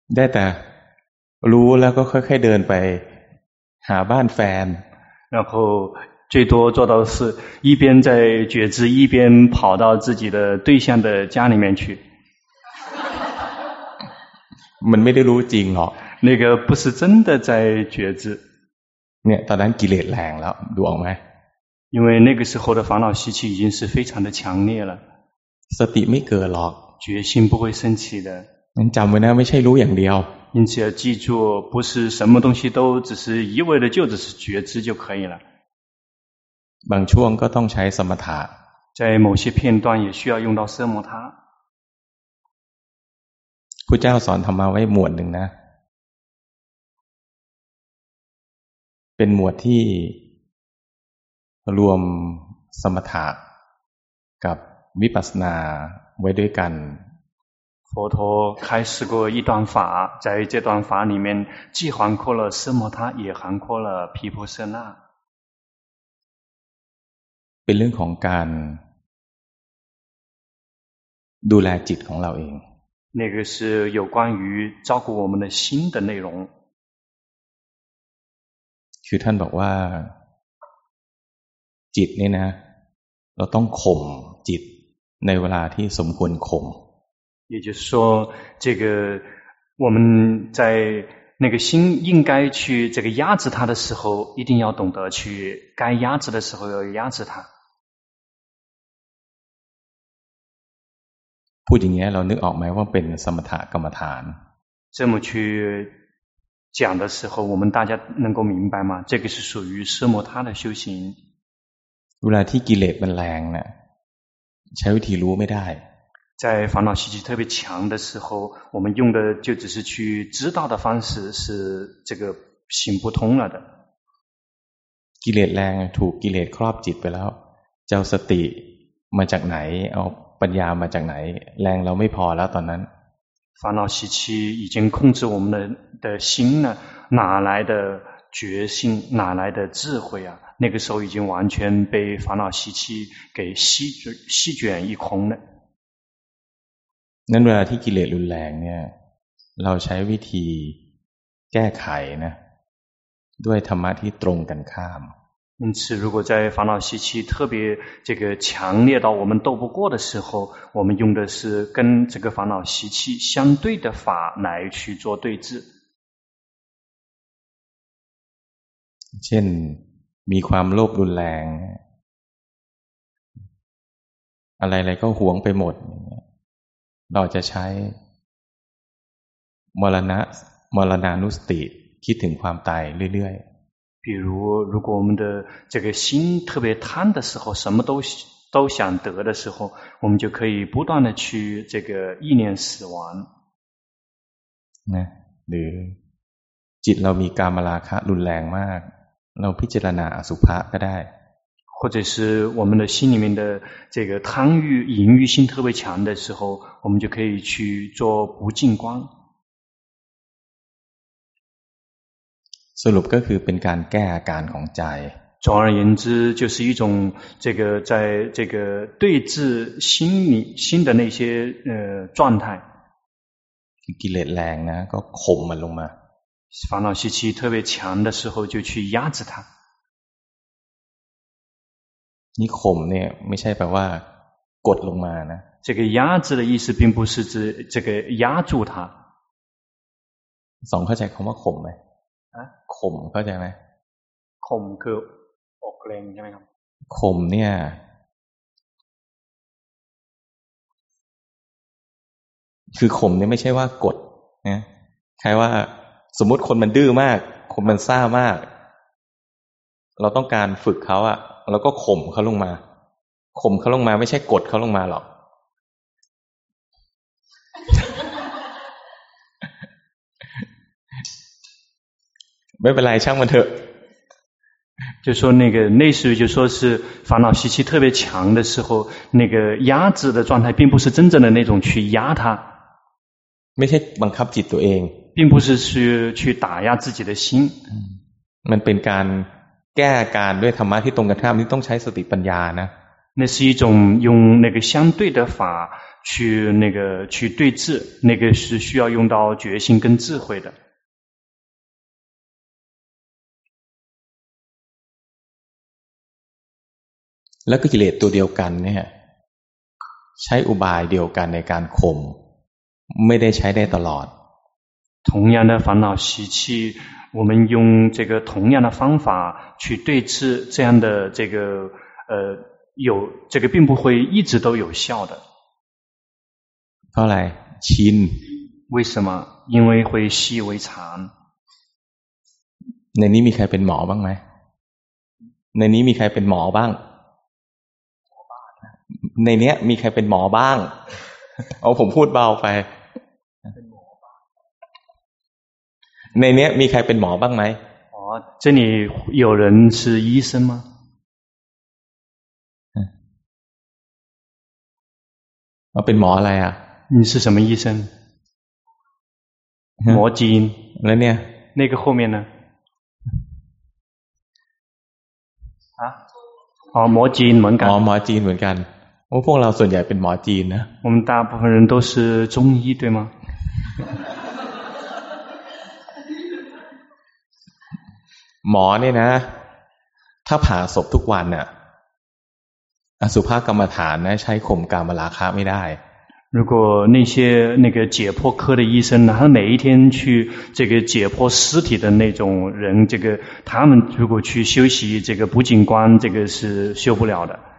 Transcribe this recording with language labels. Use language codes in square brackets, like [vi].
[th] แต่รู้แล้วก็ค่อยๆเดินไปหาบ้านแฟน [zh] 然后最多做到的是一边在觉知一边跑到自己的对象的家里面去 [th] มันไม่ได้รู้จริงหรอก [zh] 那个不是真的在觉知 [th] เนี่ยตอนนั้นกิเลสแรงแล้วดูออกไหม [zh] 因为那个时候的烦恼习气已经是非常的强烈了 [th] สติไม่เกิดหรอก [zh] 决心不会升起的 [th] มันจำไว้นะไม่ใช่รู้อย่างเดียว [zh] 因此要记住不是什么东西都只是一味的就只是觉知就可以了 [th] บางช่วงก็ต้องใช้สมถะ [zh] 在某些片段也需要用到奢摩他 [th] พุทธเจ้าสอนธรรมะไว้หมวดหนึ่งนะเป็นหมวดที่รวมสมถะกับวิปัสสนาไว้ด้วยกัน [zh] 佛陀开示过一段法在这段法里面既含括了奢摩他也含括了毗婆舍那 [th] เป็นเรื่องของการดูแลจิตของเราเอง [zh] 那个是有关于照顾我们的心的内容 [th] คือท่านบอกว่าจิตเนี่ยนะเราต้องข่มจิตในเวลาที่สมควรข่ม [zh] 也就是说这个我们在那个心应该去这个压制它的时候一定要懂得去该压制的时候要压制它 [th] พูดอย่างนี้เรานึกออกไหมว่าเป็นสมถะกรรมฐาน [zh] 这么去讲的时候我们大家能够明白吗这个是属于奢摩他的修行 [th] เวลาที่กิเลสมันแรงนะใช้วิธีรู้ไม่ได้ [zh] 在烦恼习气特别强的时候我们用的就只是去知道的方式是这个行不通了的 [th] กิเลสแรงถูกกิเลสครอบจิตไปแล้วเจ้าสติมาจากไหนเอาปัญญามาจากไหนแรงเราไม่พอแล้วตอนนั้น [zh] 烦恼习气已经控制我们 的心了哪来的决心哪来的智慧啊那个时候已经完全被烦恼习气给席卷一空了 [th] 那เวลาที่กิเลสรุนแรงเนี่ยเราใช้วิธีแก้ไขนะด้วยธรรมะที่ตรงกันข้าม [zh] 因此如果在烦恼习气特别这个强烈到我们斗不过的时候我们用的是跟这个烦恼习气相对的法来去做对峙 [th] เช่นมีความโลภรุนแรงอะไรๆก็หวงไปหมดเราจะใช้มรณานุสติคิดถึงความตายเรื่อย [zh] ๆ比如如果我们的这个心特别贪的时候什么都都想得的时候，我们就可以不断的去这个意念死亡。 [th] 那，หรือจิตเรามีกามราคะรุนแรงมากเราพิจารณาอสุภะก็ได้ [zh] 或者是我们的心里面的这个贪欲、淫欲心特别强的时候，我们就可以去做不净观。 [th] สรุปก็คือเป็นการแก้อาการของใจ [zh] 总而言之就是一种这个在这个对治心理心的那些状态 [th] กิเลสแรงนะก็ข่มมันลงมา [zh] 烦恼习气特别强的时候就去压制它 [th] นี่ข่มเนี่ยไม่ใช่แปลว่ากดลงมานะ [zh] 这个压制的意思并不是指这个压住它 [th] สองเข้าใจคำว่าข่มไหมข่มเข้าใจไหม ข่มคือออกแรงใช่ไหมครับ ข่มเนี่ยคือข่มเนี่ยไม่ใช่ว่ากดนะใครว่าสมมติคนมันดื้อมากคนมันซ่ามากเราต้องการฝึกเขาอะเราก็ข่มเขาลงมาข่มเขาลงมาไม่ใช่กดเขาลงมาหรอกไม่เป็นไรช่างมันเถอะ [zh] 就说那个类似于就说是烦恼习气特别强的时候那个压制的状态并不是真正的那种去压它 [th] ไม่ใช่บังคับจิตตัวเอง [zh] 并不是去打压自己的心 [th] มันเป็นการแก้อาการด้วยธรรมะที่ตรงกันข้ามที่ต้องใช้สติปัญญานะ [zh] 那是一种用那个相对的法去那个去对治那个是需要用到决心跟智慧的 [th] แล้วก็กิเลสตัวเดียวกันเนี่ยใช้อุบายเดียวกันในการข่มไม่ได้ใช้ได้ตลอด [zh] 同样的烦恼习气我们用这个同样的方法去对治这样的这个有这个并不会一直都有效的 [th] เพราะอะไรชิน [zh] 为什么因为会习为常 [th] ในนี้มีใครเป็นหมอบ้างไหมในนี้มีใครเป็นหมอบ้างในนี้มีใครเป็นหมอบ้างเอาผมพูดเบาไปในนี้มีใครเป็นหมอบ้างไหม [zh] อ๋อ这里有人是医生吗 [th] เป็นหมออะไรอ่ะ [zh] 你是什么医生 [th] หมอจีน แล้วเนี่ย [zh] 那个后面呢啊哦 [th] หมอจีนเหมือนกัน อ๋อหมอจีนเหมือนกันโอ้พวกเราส่วนใหญ่เป็นหมอจีนนะ [zh] 我们大部分人都是中医对吗 [th] หมอเนี่ยนะถ้าผ่าศพทุกวันน่ะอสุภกรรมฐานนะใช้ข่มกามราคะไม่ได้ [zh] 如果那些那个解剖科的医生呢他每一天去这个解剖尸体的那种人这个他们如果去休息这个不净观这个是修不了的